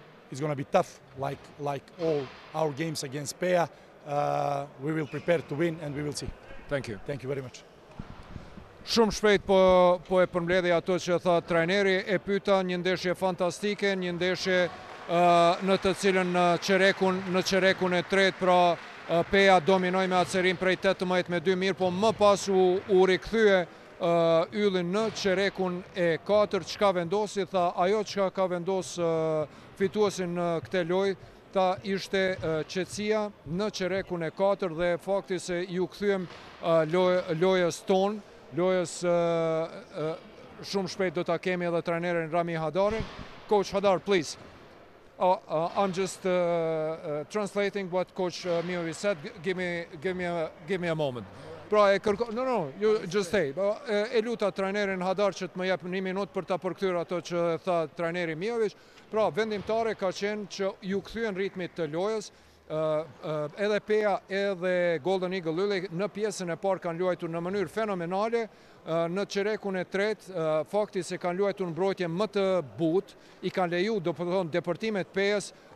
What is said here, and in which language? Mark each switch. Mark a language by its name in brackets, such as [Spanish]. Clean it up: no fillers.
[English] It's going to be tough, like all our games against Pea. We will prepare to win and we will see. Thank you very much. [Albanian] Shumë shpejt po e përmbledhi ato që tha trajneri, e pyta një ndeshje fantastike, një ndeshje në të cilën në qerekun e tretë, pra Pea dominoi me acerim prej 18-2, mirë po më pas u rikthye yllin në qerekun e katërt. Çka vendosi? Tha ajo çka ka vendosë fituesin në këtë lojë, ta ishte qetësia në qerekun e 4 dhe fakti se ju kthyem lojës shumë shpejt do ta kemi edhe trajnerin Rami Hadarin. [English] Coach Hadar, please. I'm just translating what Coach Miovi said. Give me a moment. [Albanian] Pra e kërko... [English] No, you just stay. [Albanian] E luta trajnerin Hadar që të më jep një minut për ta përkthyer ato që tha trajneri Miovic. Pra vendimtare ka qenë që ju kthyen ritmit të lojës, edhe Pea edhe Golden Eagle Lulli në pjesën e parë kanë luajtur në mënyrë fenomenale, në qerekun e tretë fakti se kanë luajtur mbrojtje më të butë, i kanë leju, do të thonë depërtimet Peas